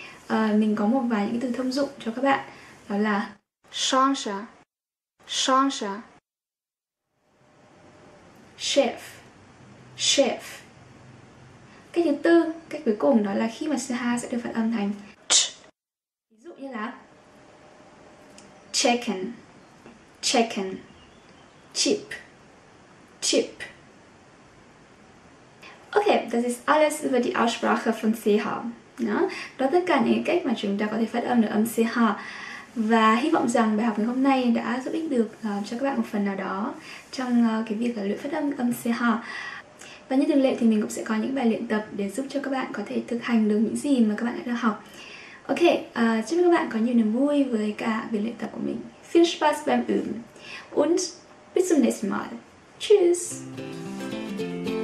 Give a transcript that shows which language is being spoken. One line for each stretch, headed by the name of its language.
Vietnamese: Mình có một vài những cái từ thông dụng cho các bạn, đó là chance, chance, chef, chef. Cách thứ tư, cách cuối cùng đó là khi mà CH sẽ được phát âm thành ch. Ví dụ như là chicken, chicken, chip, chip.
German: Okay, das ist alles über die Aussprache von CH.
Vietnamese: Ja, đó là tất cả những cách mà chúng ta có thể phát âm được âm CH. Và hy vọng rằng bài học ngày hôm nay đã giúp ích được cho các bạn một phần nào đó trong cái việc là luyện phát âm âm CH. Và như thường lệ thì mình cũng sẽ có những bài luyện tập để giúp cho các bạn có thể thực hành được những gì mà các bạn đã được học. Ok, chúc các bạn có nhiều niềm vui với cả việc luyện tập của mình.
German: Viel Spaß beim Üben. Und bis zum nächsten Mal. Tschüss.